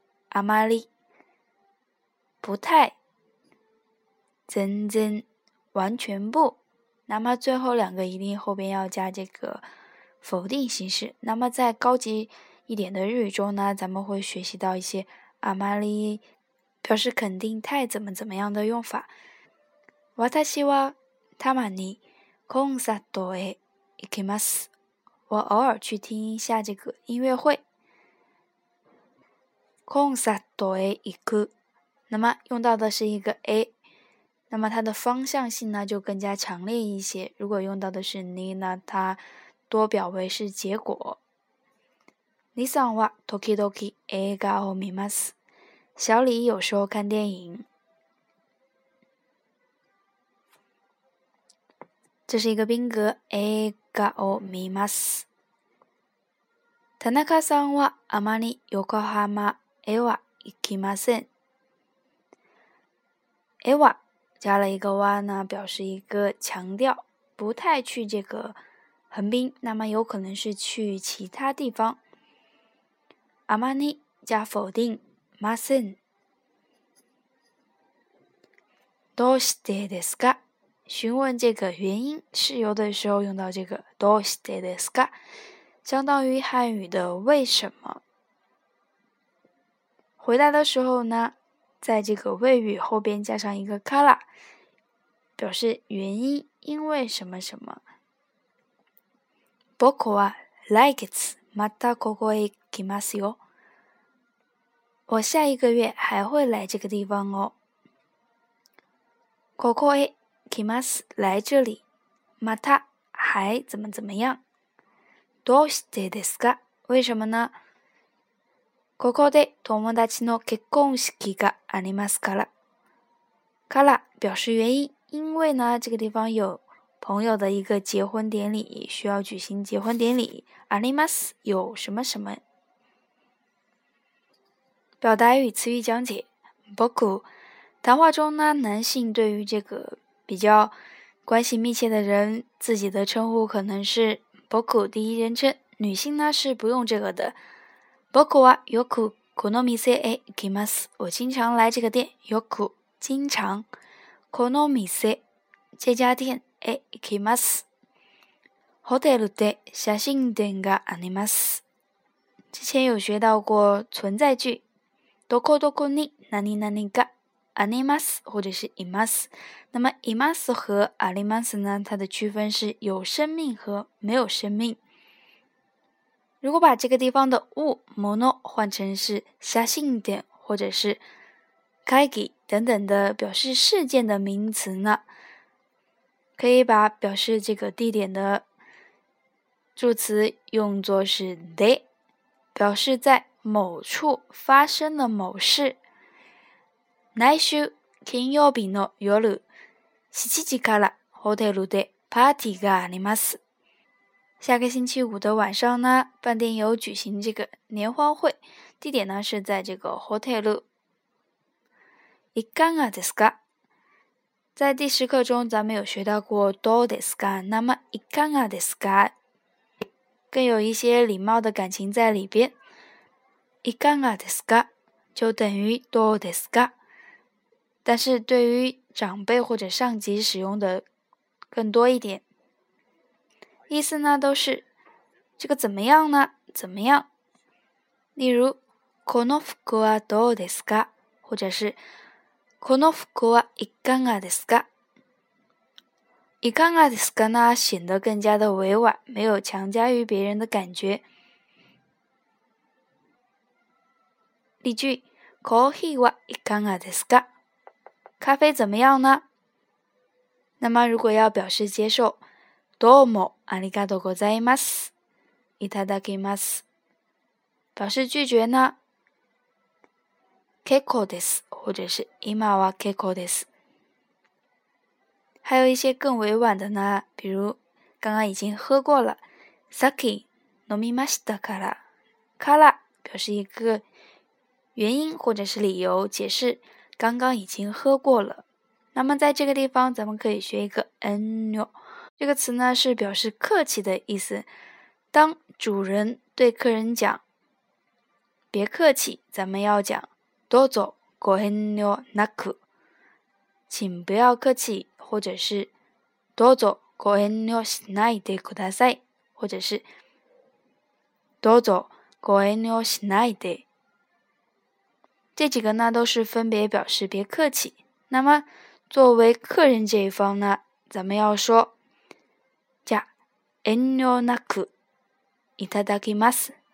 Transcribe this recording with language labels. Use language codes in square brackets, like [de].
[ja] あまり， [zh] 不太。 [ja] 全然， [zh] 完全不。那么最后两个一定后边要加这个否定形式。那么在高级一点的日语中呢，咱们会学习到一些あまり表示肯定太怎么怎么样的用法。 [ja] 私はたまにコンサートへ行きます。 [zh] 我偶尔去听一下这个音乐会。 [ja] コンサートへ行く。 [zh] 那么用到的是一个 A。那么它的方向性呢就更加强烈一些。如果用到的是你呢，它多表为是结果。 [ja] 李さんは時々映画を見ます。 [zh] 小李有时候看电影。这是一个宾格， [ja] 映画を見ます。田中さんはあまり横浜へは行きません。 [zh] へは加了一个哇呢，表示一个强调，不太去这个横滨，那么有可能是去其他地方。 [ja] あまり [zh] 加否定 [ja] ません。どうしてですか？ [zh] 询问这个原因，事由的时候用到这个どうしてですか，相当于汉语的为什么。回答的时候呢，在这个谓语后边加上一个カラ，表示原因，因为什么什么。 [ja] 僕は来月またここへ来ますよ。 [zh] 我下一个月还会来这个地方哦。 [ja] ここへ来ます， [zh] 来这里。また还怎么怎么样。 [ja] どうしてですか？ [zh] 为什么呢？ [ja] ここで友達の結婚式がありますから。 [zh] から表示原因。因为呢，这个地方有朋友的一个结婚典礼，需要举行结婚典礼。 [ja] あります， [zh] 有什么什么。表达与词语讲解。僕，谈话中呢，男性对于这个比较关系密切的人，自己的称呼可能是僕第一人称，女性呢是不用这个的。 [ja] 僕はよくこの店へ行きます。 [zh] 我经常来这个店。よく，经常。 [ja] この店、 [zh] 这家店 [ja] へ行きます。ホテルで写真展があります。 [zh] 之前有学到过存在句。 [ja] どこどこに何々があります [zh] 或者是 [ja] います。 [zh] 那么 [ja] います [zh] 和 [ja] あります [zh] 呢，它的区分是有生命和没有生命。如果把这个地方的物、もの换成是写真展或者是会議等等的表示事件的名词呢，可以把表示这个地点的助词用作是で，表示在某处发生了某事。 [ja] 来週金曜日の夜7時からホテルでパーティーがあります。 [zh] 下个星期五的晚上呢，饭店有举行这个联欢会，地点呢是在这个ホテル。 [ja] いかがですか？ [zh] 在第十课中咱们有学到过 [ja] どうですか？ [zh] 那么 [ja] いかがですか？ [zh] 更有一些礼貌的感情在里边。 [ja] いかがですか？ [zh] 就等于 [ja] どうですか？ [zh] 但是对于长辈或者上级使用的更多一点。意思呢都是这个怎么样呢？怎么样？例如 [ja] この服はどうですか？ [zh] 或者是 [ja] この服はいかがですか？いかがですかな [zh] 显得更加的委婉，没有强加于别人的感觉。例句， [ja] コーヒーはいかがですか？ [zh] 咖啡怎么样呢？那么如果要表示接受， [ja] どうもありがとうございます。いただきます。 [zh] 表示拒绝呢？ [ja] 結構です， [zh] 或者是 [ja] 今は結構です。 [zh] 还有一些更委婉的呢，比如刚刚已经喝过了， [ja] さっき飲みましたから。 [zh] から表示一个原因或者是理由，解释刚刚已经喝过了。那么在这个地方，咱们可以学一个恩哟，这个词呢是表示客气的意思。当主人对客人讲“别客气”，咱们要讲 [ja] “どうぞご遠慮なく”， [zh] 请不要客气。或者是 [ja] どうぞご遠慮しないでください， [zh] 或者是 [ja] どうぞご遠慮しないで。 [zh] 这几个呢都是分别表示别客气。那么作为客人这一方呢，咱们要说 [ja] じゃ遠慮なくいただきます。